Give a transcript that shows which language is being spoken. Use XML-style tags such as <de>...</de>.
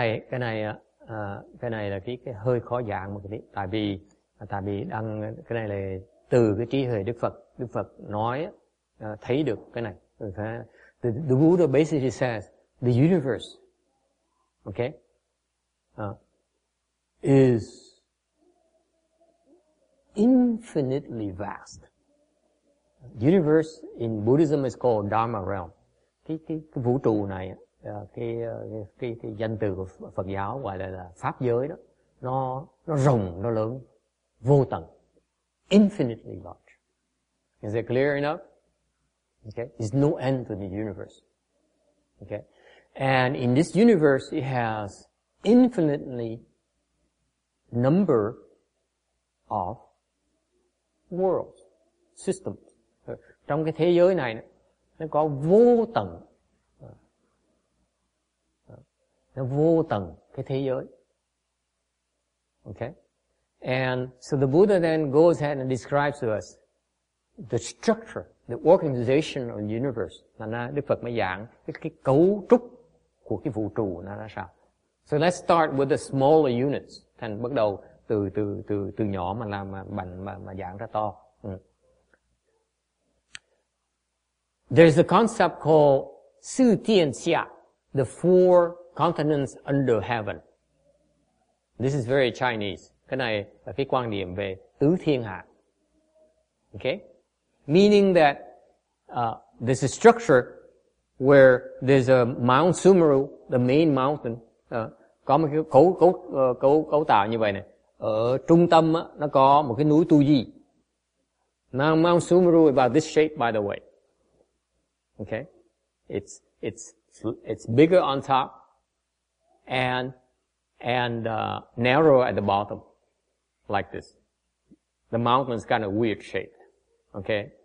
<vi>Cái này là cái hơi khó giảng một cái. Tại vì đang cái này là từ cái trí huệ Đức Phật nói thấy được cái này.</vi> <en>The Buddha basically says the universe, okay, is infinitely vast. Universe in Buddhism is called Dharma realm.</en> <vi>Cái vũ trụ này cái danh từ của Phật giáo gọi là pháp giới đó, nó rộng, nó lớn, vô tận,</vi> <en>infinitely large. Is it clear enough? Okay, there's no end to the universe. Okay, and in this universe, it has infinitely number of worlds, systems.</en> <vi>Trong cái thế giới này, nó có vô tận, nó vô tận cái thế giới.</vi> <en>Okay. And so the Buddha then goes ahead and describes to us the structure, the organization of the universe.</en> <vi>Đức Phật mới giảng cái cấu trúc của cái vũ trụ nó ra sao.</vi> <en>So let's start with the smaller units.</en> <vi>Thành bắt đầu từ nhỏ mà làm mà giảng ra to.</vi> <en>There's a concept called Sư Thiên Xia, the four continents under heaven. This is very Chinese.</en> <vi>Cái này là cái quan điểm về tứ thiên hạ.</vi> <en>Okay? Meaning that there's a structure where there's a Mount Sumeru, the main mountain.</en> <vi>Có một cái cấu tạo như vậy này. Ở trung tâm á, nó có một cái núi Tu Di.</vi> <en>Now Mount Sumeru is about this shape, by the way. Okay? It's bigger on top and narrower at the bottom. Like this. The mountain is kind of weird shaped. Okay?</en>